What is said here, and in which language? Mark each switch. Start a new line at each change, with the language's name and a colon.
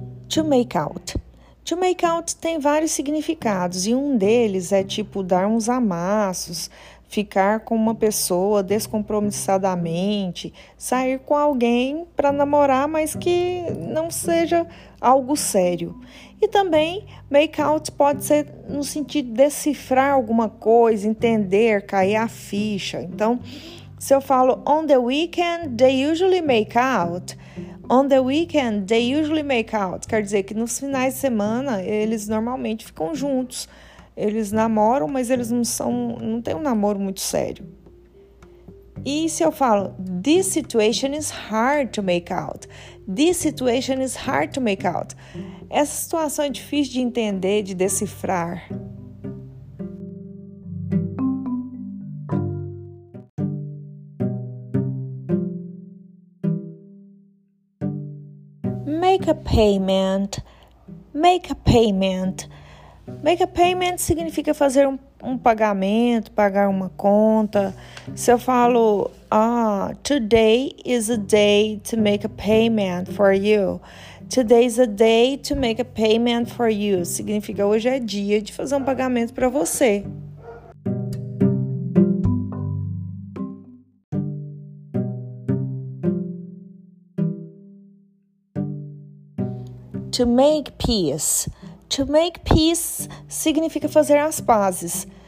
English: To make out. To make out
Portuguese: tem vários significados e um deles é tipo dar uns amassos, ficar com uma pessoa descompromissadamente, sair com alguém para namorar, mas que não seja algo sério. E também make out pode ser no sentido de decifrar alguma coisa, entender, cair a ficha. Então, se eu falo
English: on the weekend, they usually make out. On the weekend, they usually make out.
Portuguese: Quer dizer que nos finais de semana, eles normalmente ficam juntos. Eles namoram, mas eles não têm um namoro muito sério. E se eu falo,
English: this situation is hard to make out. This situation is hard to make out.
Portuguese: Essa situação é difícil de entender, de decifrar.
English: Make a payment. Make a payment. Make a payment
Portuguese: significa fazer um pagamento, pagar uma conta. Se eu falo, ah,
English: today is a day to make a payment for you. Today is a day to make a payment for you.
Portuguese: Significa hoje é dia de fazer um pagamento para você.
English: To make peace. To make peace
Portuguese: significa fazer as pazes.